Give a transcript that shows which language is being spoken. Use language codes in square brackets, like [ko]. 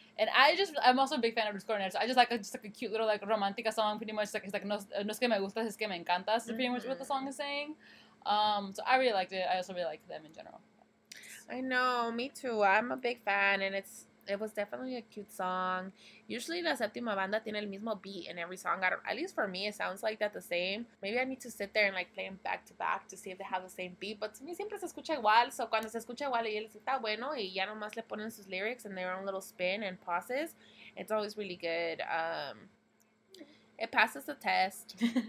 [en] And I'm also a big fan of Luis Coronel, so I just like just like a cute little like romantica song, pretty much. Like, it's like [es] no es que me gustas, es que me encantas, [en] is pretty much what the song is saying. So I really liked it. I also really like them in general. I know, me too. I'm a big fan, and it was definitely a cute song. Usually, La Séptima Banda [es] tiene el mismo beat [en] in every song. At least for me, it sounds like that the same. Maybe I need to sit there and like play them back to back to see if they have the same beat. But to me, [es] siempre se escucha igual. So cuando se escucha igual, y él dice, está bueno, y ya nomás le ponen sus [en] lyrics and their own little spin and pauses. It's always really good. It passes the test.